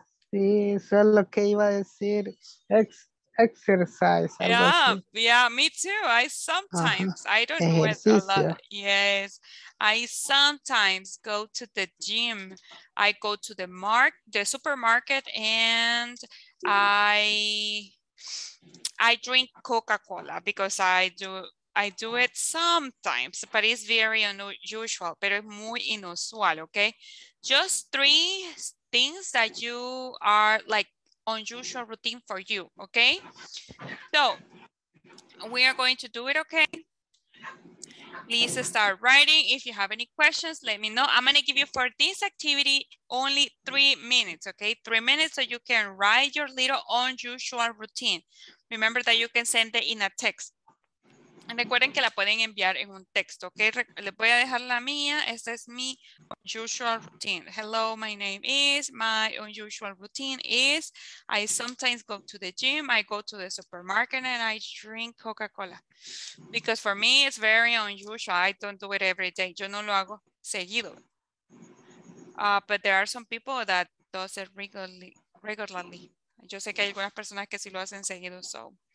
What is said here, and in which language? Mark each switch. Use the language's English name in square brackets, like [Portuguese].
[Spanish] Sí, eso es lo que iba a decir. [English] Exercise. Yeah, me too. I sometimes, I don't ejercicio. Do it a lot. Yes, I sometimes go to the gym. I go to the supermarket, and I drink Coca-Cola because I do it sometimes, but it's very unusual, [Spanish] pero es muy inusual, [English] okay? Just three things that you are like unusual routine for you, okay? So we are going to do it, okay? Please start writing. If you have any questions, let me know. I'm going to give you for this activity only 3 minutes, okay? 3 minutes so you can write your little unusual routine. Remember that you can send it in a text. [Spanish] Recuerden que la pueden enviar en un texto, okay? Les voy a dejar la mía. Esta es mi unusual routine. [English] Hello, my name is. My unusual routine is I sometimes go to the gym, I go to the supermarket, and I drink Coca-Cola. Because for me, it's very unusual. I don't do it every day. [Spanish] Yo no lo hago seguido. [English] But there are some people that does it regularly. [Spanish] Yo sé que hay algunas personas que sí lo hacen seguido, so.